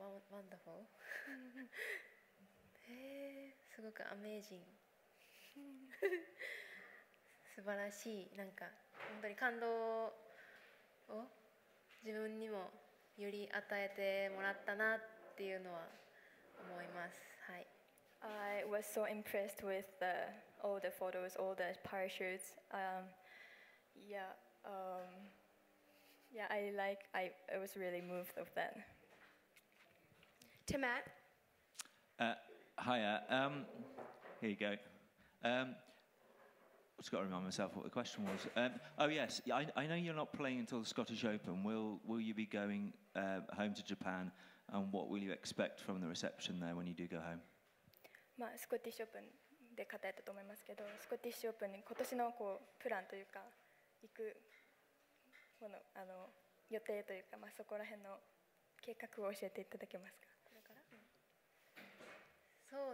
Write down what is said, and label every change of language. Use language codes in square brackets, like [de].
[ja] ワンダフォーすごくアメージング素晴らしい、なんか本当に感動を自分にもより与えてもらったなっていうのは思います。はい。 [en] I was so impressed with the, all the photos, all the parachutes. I was really moved of that. To Matt. Hiya. Here you go. I've just got to remind myself what the question was. I know you're not playing until the Scottish Open. Will you be going home to Japan? And what will you expect from the reception there when you do go home? [ja] まあ、スコティッシュオープンで語ったと思いますけど、スコティッシュオープンに今年のこうプランというか行くもの、あの予定というか、まあ、そこら辺の計画を教えていただけますか？これから、うん、